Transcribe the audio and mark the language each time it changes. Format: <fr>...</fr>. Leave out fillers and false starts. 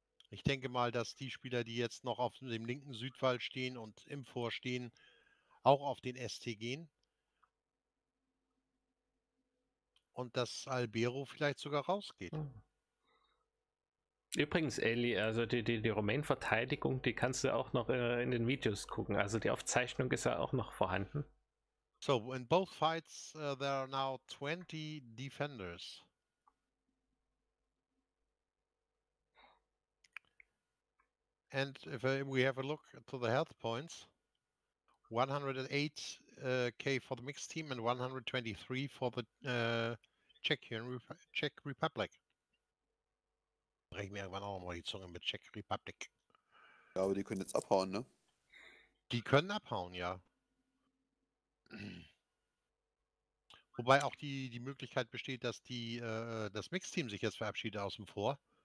<de>Ich denke mal, dass die Spieler, die jetzt noch auf dem linken Südwall stehen und im Vor stehen, auch auf den ST gehen. Und dass Albero vielleicht sogar rausgeht. Übrigens, Eli, also die Romain-Verteidigung, die kannst du auch noch in den Videos gucken. Also die Aufzeichnung ist ja auch noch vorhanden.</de> <en>So, in both fights, there are now 20 defenders. And if we have a look to the health points, 108k for the mixed team and 123 for the Czech Republic.</en> <de>Brech mir irgendwann auch mal die Zunge mit Czech Republic. Ja, aber die können jetzt abhauen, ne? Die können abhauen, ja. Wobei auch die Möglichkeit besteht, dass das Mixteam sich jetzt verabschiedet aus dem Vor.</de>